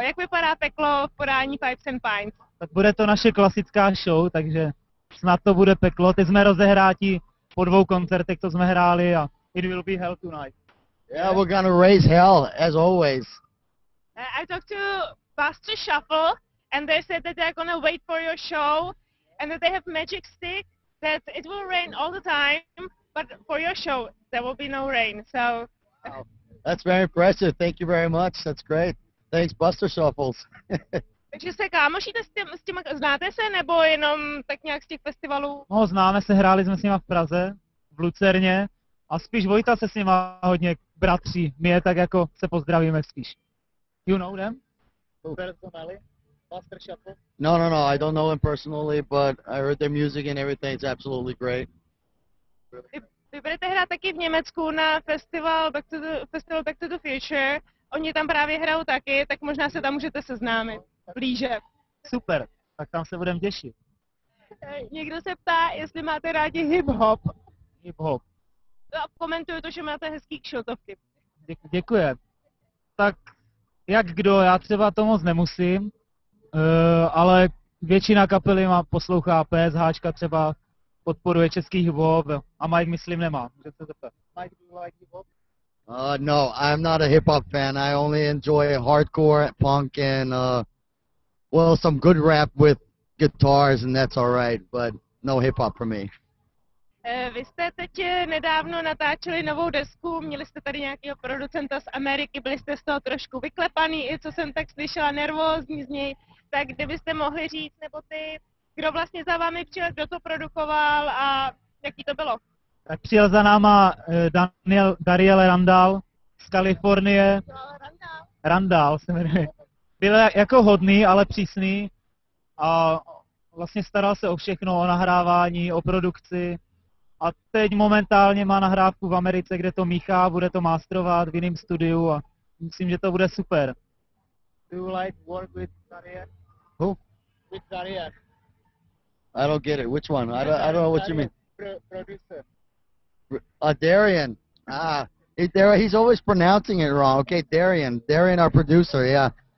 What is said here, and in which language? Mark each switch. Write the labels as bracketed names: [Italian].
[Czech] Jak vypadá peklo v podání Pipes and Pints? Tak bude to naše klasická show, takže snad to bude peklo. Teď jsme rozehrátí po dvou koncertech, co jsme hráli, a [English] it will be hell tonight. Yeah, we're gonna raise hell, as always. I talked to Buster Shuffle, and they said that they're gonna wait for your show, and that they have magic stick, that it will rain all the time, but for your show, there will be no rain, so... Wow. That's very impressive, thank you very much, that's great. Thanks, Buster Shuffles. [Czech] Takže se kámošíte s těma, znáte se, nebo jenom tak nějak z těch festivalů? No, známe se, hráli jsme s nima v Praze, v Lucerně, a spíš Vojta se s nima hodně bratří, my je tak jako se pozdravíme spíš. [English] You know them? Personally? Buster Shuffle? No, I don't know them personally, but I heard their music and everything, it's absolutely great. [Czech] Vy budete hrát taky v Německu na festival Back to the Future, oni tam právě hrajou taky, tak možná se tam můžete seznámit. Blíže. Super, tak tam se budeme těšit. Někdo se ptá, jestli máte rádi hip-hop. Hip-hop. No a komentuju to, že máte hezký kšiltovky. Děkuji. Tak jak kdo, já třeba to moc nemusím, ale většina kapely má poslouchá PSH, třeba podporuje český hip-hop, a Mike myslím nemá. [English] Mike, do you like hip-hop? No, I'm not a hip-hop fan, I only enjoy hardcore, punk and well, some good rap with guitars and that's all right, but no hip hop for me. [Czech] Vy jste teď nedávno natáčeli novou desku, měli jste tady nějakého producenta z Ameriky, byli jste z toho trošku vyklepaný, i co jsem tak slyšela, nervózní z něj, tak kdybyste mohli říct, nebo ty, kdo vlastně za vámi přijel, kdo to produkoval a jaký to bylo? Tak přijel za náma Daniel Randall z Kalifornie. Randall se jmenuje. Byl jako hodný, ale přísný, a vlastně staral se o všechno, o nahrávání, o produkci, a teď momentálně má nahrávku v Americe, kde to míchá, bude to masterovat v jiném studiu, a myslím, že to bude super. [English] Do you like work with Darier? Who? With Darier. I don't get it, which one? I don't know what you mean. Producer. Darien. He's always pronouncing it wrong. Okay, Darien, our producer, yeah.